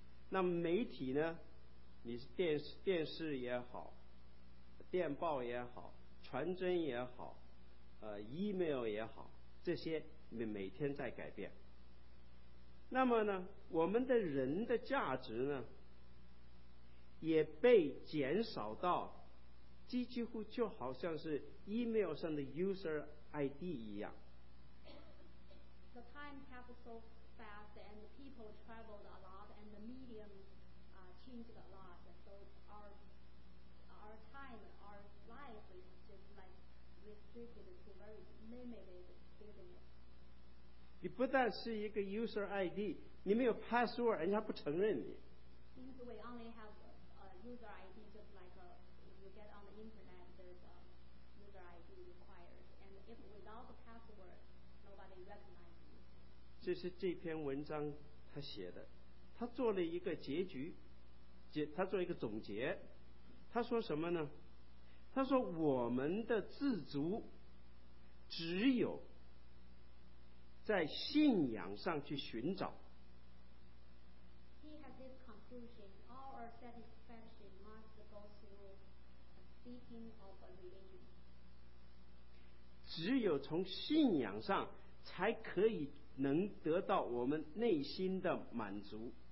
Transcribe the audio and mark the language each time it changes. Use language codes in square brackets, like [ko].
[zh] 那媒体呢，你是电视也好，电报也好，传真也好，email 也好，这些每天在改变。那么呢，我们的人的价值呢也被减少到几乎就好像是 email 上的 user ID 一样。 [en] The time passes so fast and people traveled a lot and the medium changed a lot, so our time, our life is just like restricted to very limited business. [zh] 你不但是一个 user ID， 你没有 password， 人家不承认你。 [en] Since we only have a user ID, just like a, you get on the internet, there's a user ID required, and if without the password, nobody recognizes you. [zh] 这是这篇文章他写的，他做了一个结局，他做一个总结。他说什么呢？他说我们的自足只有在信仰上去寻找。 [en] He has this conclusion, all our satisfaction must go through seeking of a religion. [zh] 只有从信仰上才可以能得到我们内心的满足。